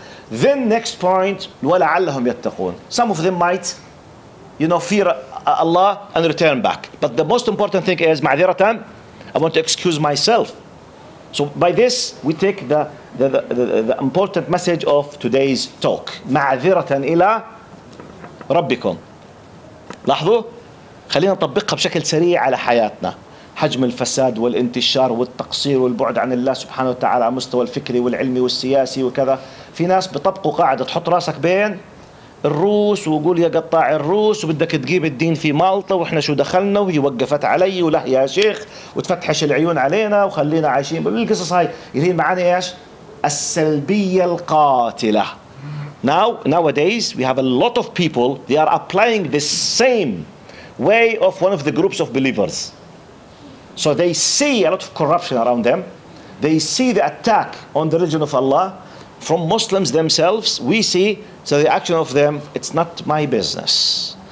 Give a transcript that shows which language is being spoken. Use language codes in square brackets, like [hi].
[en] Then next point, [ar] وَلَعَلَّهُمْ يَتَّقُونَ. [en] Some of them might, you know, fear Allah and return back. But the most important thing is, مَعْذِرَةً, I want to excuse myself. So by this, we take the important message of today's talk. [ar] مَعْذِرَةً إِلَىٰ رَبِّكُمْ. لاحظوا؟ خلينا نطبقها بشكل سريع على حياتنا. حجم الفساد والانتشار والتقصير والبعد عن الله سبحانه وتعالى على مستوى الفكري والعلمي والسياسي وكذا. في ناس بطبقوا قاعدة تحط راسك بين الروس وقول يا قطاع الروس وبدك تجيب الدين في مالطا وإحنا شو دخلنا وهي وقفت علي ولا يا شيخ وتفتحش العيون علينا وخلينا عايشين بالقصص هاي اللي معنا إيش السلبية القاتلة. [en] Nowadays we have a lot of people, they are applying the same way of one of the groups of believers. So they see a lot of corruption around them. They see the attack on the religion of Allah from Muslims themselves. We see, so the action of them, it's not my business.